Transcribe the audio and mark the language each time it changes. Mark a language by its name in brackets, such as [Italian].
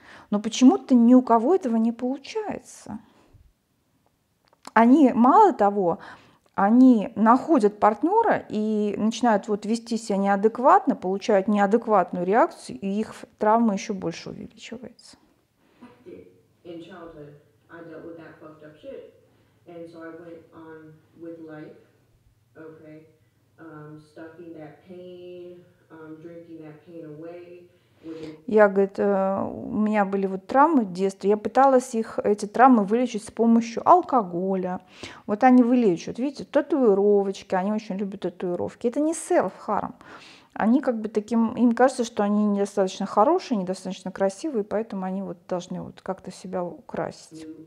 [Russian] Но почему-то ни у кого этого не получается. Они, мало того, они находят партнера и начинают вот вести себя неадекватно, получают неадекватную реакцию, и их травма еще больше увеличивается. [English] In childhood, I dealt with that fucked up shit, and so I went on with life, okay, stuffing that pain, drinking that pain away, [Russian] Я, говорит, у меня были вот травмы в детстве, я пыталась их, эти травмы вылечить с помощью алкоголя. Вот они вылечат, видите, татуировочки, они очень любят татуировки. Это не self-harm. Они как бы таким, им кажется, что они недостаточно хорошие, недостаточно красивые, поэтому они вот должны вот как-то себя украсить.